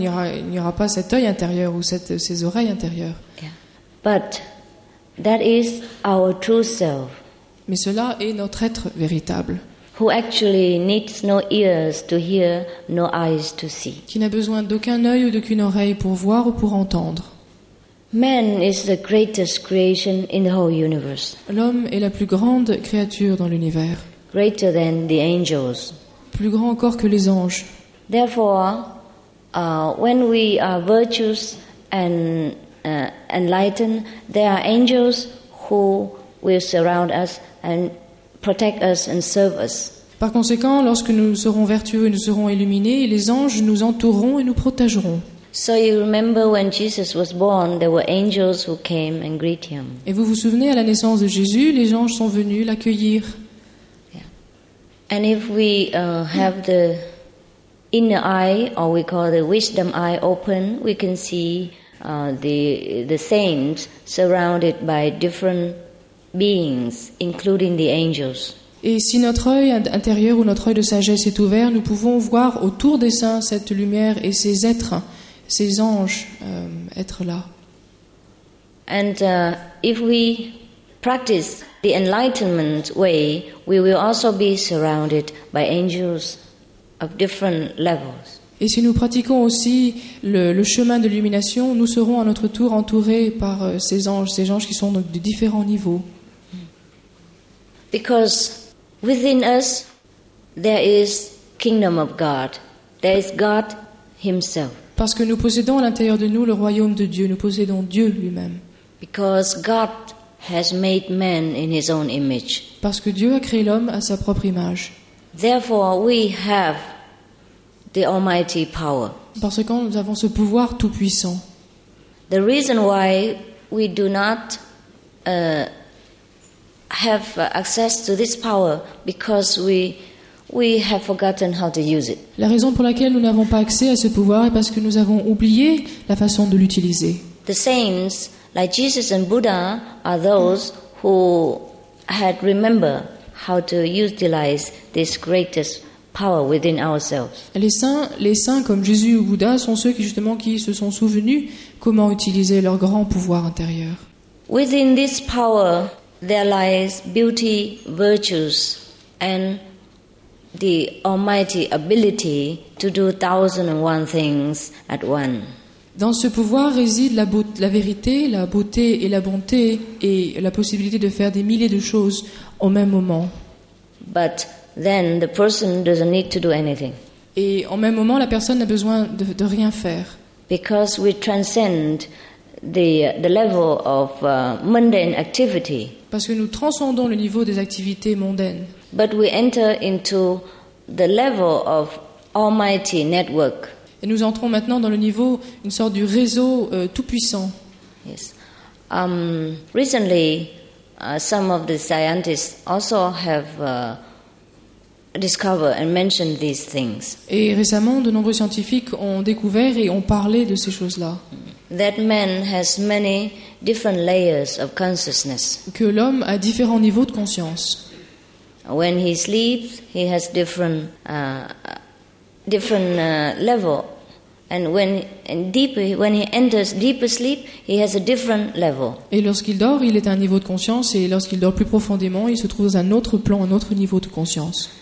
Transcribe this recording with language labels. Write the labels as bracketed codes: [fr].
[fr] Il n'y aura pas cet œil intérieur ou ces oreilles intérieures. [en] Yeah. But that is our true self. [fr] Mais cela est notre être véritable. [en] Who actually needs no ears to hear, no eyes to see. [fr] Qui n'a besoin d'aucun œil ou d'aucune oreille pour voir ou pour entendre. [en] Man is the greatest creation in the whole universe. [fr] L'homme est la plus grande créature dans l'univers. [en] Greater than the angels. [fr] Plus grand encore que les anges. [en] Therefore, when we are virtuous and enlightened, there are angels who will surround us and protect us and serve us. [fr] Par conséquent, lorsque nous serons vertueux et nous serons illuminés, les anges nous entoureront et nous protégeront. [en] So you remember when Jesus was born, there were angels who came and greeted him. [fr] Et vous vous souvenez à la naissance de Jésus, les anges sont venus l'accueillir. [en] Yeah. And if we have the inner eye, or we call the wisdom eye, open, we can see the saints surrounded by different beings, including the angels. [fr] Et si notre œil intérieur ou notre œil de sagesse est ouvert, nous pouvons voir autour des saints cette lumière et ces êtres, ces anges, être là. [en] And if we practice the enlightenment way, we will also be surrounded by angels of different levels. [fr] Et si nous pratiquons aussi le chemin de l'illumination, nous serons à notre tour entourés par ces anges qui sont de différents niveaux. [en] Because within us there is kingdom of God. There is God himself. [fr] Parce que nous possédons à l'intérieur de nous le royaume de Dieu, nous possédons Dieu lui-même. [en] Because God has made man in his own image. [fr] Parce que Dieu a créé l'homme à sa propre image. [en] Therefore we have the almighty power. [fr] Parce que nous avons ce pouvoir tout puissant. [en] The reason why we do not have access to this power because we have forgotten how to use it. [fr] La raison pour laquelle nous n'avons pas accès à ce pouvoir est parce que nous avons oublié la façon de l'utiliser. [en] The saints like Jesus and Buddha are those who had remembered how to utilize this greatest power within ourselves. [fr] Les saints comme Jésus ou Bouddha sont ceux qui se sont souvenus comment utiliser leur grand pouvoir intérieur. [en] Within this power there lies beauty, virtues, and the almighty ability to do 1,001 things at once. [fr] Dans ce pouvoir réside la vérité, la beauté et la bonté, et la possibilité de faire des milliers de choses au même moment. [en] But then the person doesn't need to do anything. [fr] Et en même moment, la personne n'a besoin de rien faire. [en] Because we transcend the level of mundane activity. [fr] Parce que nous transcendons le niveau des activités mondaines. [en] But we enter into the level of almighty network. [fr] Et nous entrons maintenant dans le niveau, une sorte du réseau tout-puissant. [en] Yes. Recently, some of the scientists also have discovered and mentioned these things. [fr] Et récemment, de nombreux scientifiques ont découvert et ont parlé de ces choses-là. [en] That man has many different layers of consciousness. [fr] Que l'homme a différents niveaux de conscience. [en] When he sleeps, he has different level. And when he enters deeper sleep, he has a different level. [fr] Et lorsqu'il dort, il est à un niveau de conscience. Et lorsqu'il dort plus profondément, il se trouve dans un autre plan, un autre niveau de conscience.